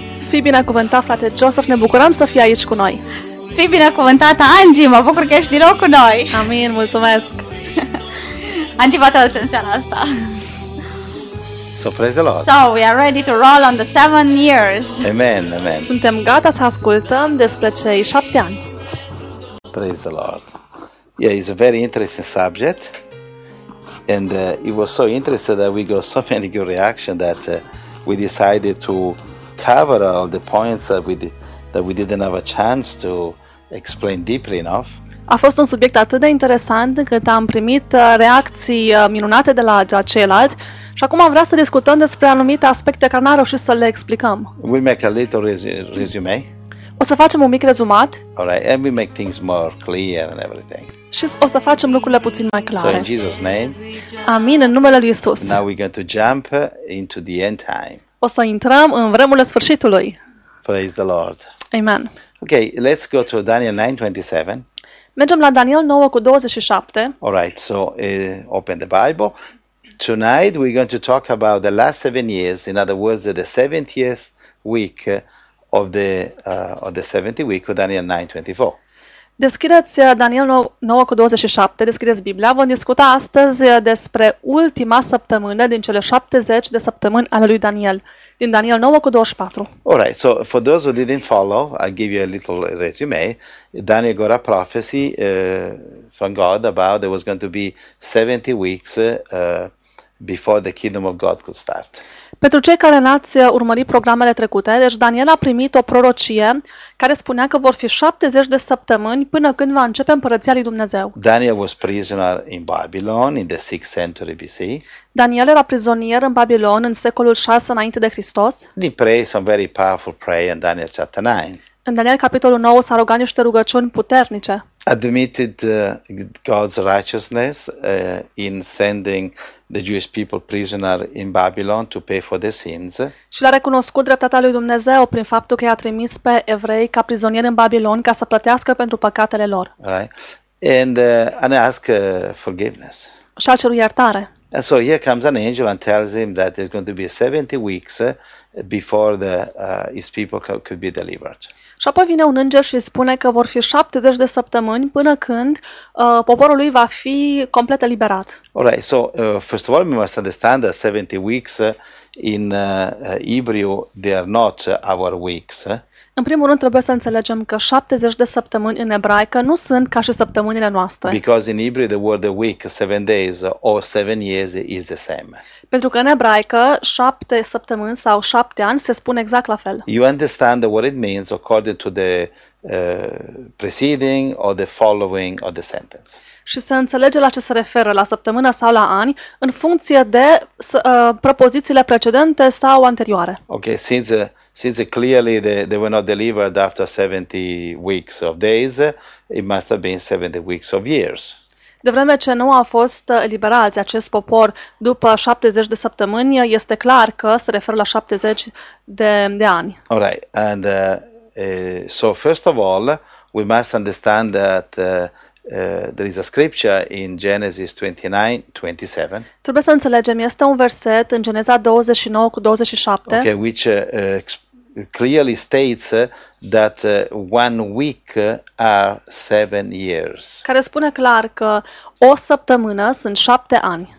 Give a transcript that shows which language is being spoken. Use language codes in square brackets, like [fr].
[ro] Fii binecuvântat, frate Joseph, ne bucurăm să fii aici cu noi. Fii binecuvântată, Angie, mă bucur că ești din nou cu noi. Amin, mulțumesc. Angie, poate aduce în seara asta. [en] Surprise lot. So, we are ready to roll on the 7 years. Amen, amen. [ro] Suntem gata să ascultăm despre cei 7 ani. [en] Praise the Lord. Yeah, it's a very interesting subject. And it was so interesting that we got so many good reactions that we decided to cover all the points that we didn't have a chance to explain deeply enough. [ro] A fost un subiect atât de interesant încât am primit reacții minunate de la ceilalți și acum am vrea să discutăm despre anumite aspecte care n-am reușit să le explicăm. [en] We'll make a little resume. [ro] O să facem un mic rezumat. [en] All right, and we make things more clear and everything. [ro] Și o să facem lucrurile puțin mai clare. [en] So in Jesus' name. [ro] Amin, în numele lui Isus. [en] Now we're going to jump into the end time. [ro] O să intrăm în vremurile sfârșitului. [en] Praise the Lord. Amen. Okay, let's go to Daniel 9:27. [ro] Mergem la Daniel 9:27. [en] All right, so open the Bible. Tonight we're going to talk about the last 7 years, in other words, the 70th week of the 70 week of Daniel 9:24. [ro] Deschideți Daniel 9:27, deschideți Biblia. Vom discuta astăzi despre ultima săptămână din cele 70 de săptămâni ale lui Daniel, din Daniel 9:24. [en] All right, so for those who didn't follow, I'll give you a little resume. Daniel got a prophecy from God about there was going to be 70 weeks before the kingdom of God could start. [ro] Pentru cei care n-ați urmărit programele trecute, deci Daniel a primit o prorocie care spunea că vor fi 70 de săptămâni până când va începe împărăția lui Dumnezeu. [en] Daniel was prisoner in Babylon in the 6th century BC. [ro] Daniel era prizonier în Babilon în secolul 6 înainte de Hristos. [en] He prayed some very powerful prayer in Daniel chapter 9. [ro] În Daniel capitolul 9 s-a rugat niște rugăciuni puternice. [en] Admitted God's righteousness in sending the Jewish people prisoner in Babylon to pay for their sins. [ro] Și l-a recunoscut dreptatea lui Dumnezeu prin faptul că i-a trimis pe evrei ca prizonieri în Babilon ca să plătească pentru păcatele lor. [en] Right. And ask forgiveness. [ro] Și a cerut iertare. [en] And so here comes an angel and tells him that there's going to be 70 weeks before the his people could be delivered. [ro] Și apoi vine un înger și spune că vor fi 70 de săptămâni până când poporul lui va fi complet eliberat. [en] All right, so first of all we must understand that 70 weeks in Hebrew they are not our weeks. [ro] În primul rând trebuie să înțelegem că 70 de săptămâni în ebraică nu sunt ca și săptămânile noastre. [en] Because in Hebrew the word a week, 7 days or 7 years is the same. [ro] Pentru că în ebraică 7 săptămâni sau 7 ani se spune exact la fel. [en] You understand what it means according to the preceding or the following or the sentence. [ro] și să înțelege la ce se referă, la săptămână sau la ani, în funcție de propozițiile precedente sau anterioare. [en] Ok, since clearly they were not delivered after 70 weeks of days, it must have been 70 weeks of years. [ro] De vreme ce nu au fost eliberați acest popor după 70 de săptămâni, este clar că se referă la 70 de ani. [en] All right. And so first of all, we must understand that there is a scripture in Genesis 29:27. [ro] Trebuie să înțelegem, este un verset în Geneza 29:27. [en] Okay, which clearly states that 1 week are 7 years. [ro] Care spune clar că o săptămână sunt 7 ani.